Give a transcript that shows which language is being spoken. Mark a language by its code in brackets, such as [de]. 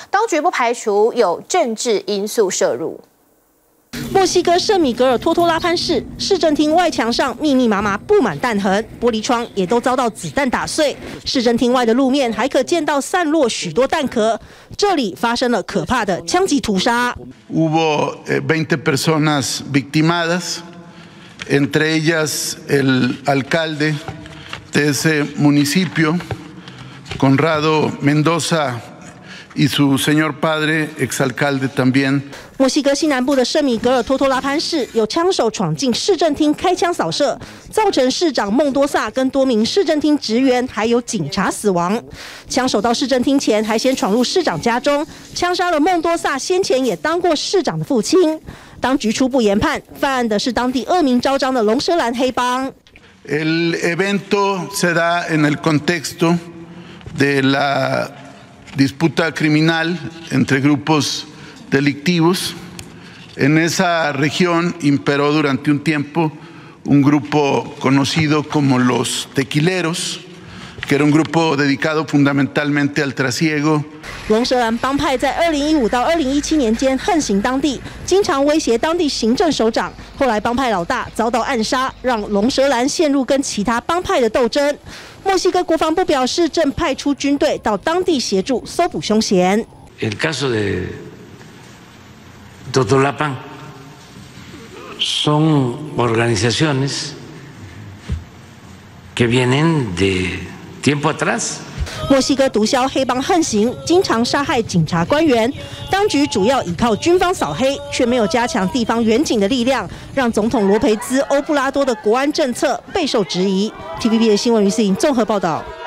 [zh] 当局不排除有政治因素涉入。墨西哥圣米格尔托托拉潘市市政厅外墙上密密麻麻布满弹痕，玻璃窗也都遭到子弹打碎，市政厅外的路面还可见到散落许多弹壳，这里发生了可怕的枪击屠杀。 [es] Hubo 20 personas victimadas, entre ellas el alcalde de ese municipio, Conrado Mendoza, y su señor padre, exalcalde también。 [zh] 墨西哥西南部的圣米格尔托托拉潘市有枪手闯进市政厅开枪扫射，造成市长孟多萨跟多名市政厅职员还有警察死亡。枪手到市政厅前还先闯入市长家中，枪杀了孟多萨先前也当过市长的父亲。当局初步研判，犯案的是当地恶名昭彰的龙舌兰黑帮。 [es] El evento se da en el contexto de la disputa criminal entre grupos。 Delictivos en esa región imperó durante un tiempo un grupo conocido como los tequileros, que era un grupo dedicado fundamentalmente al trasiego。 [zh] 龙舌兰帮派在2015到2017年间横行当地，经常威胁当地行政首长。后来帮派老大遭到暗杀，让龙舌兰陷入跟其他帮派的斗争。墨西哥国防部表示，正派出军队到当地协助搜捕凶嫌。 [es] El caso de Totolapan son organizaciones que vienen de tiempo atrás。 [zh] 墨西哥毒枭黑帮横行，经常杀害警察官员，当局主要依靠军方扫黑，却没有加强地方援警的力量，让总统罗培兹·欧布拉多的国安政策备受质疑。 TVP 的新闻于思颖综合报道。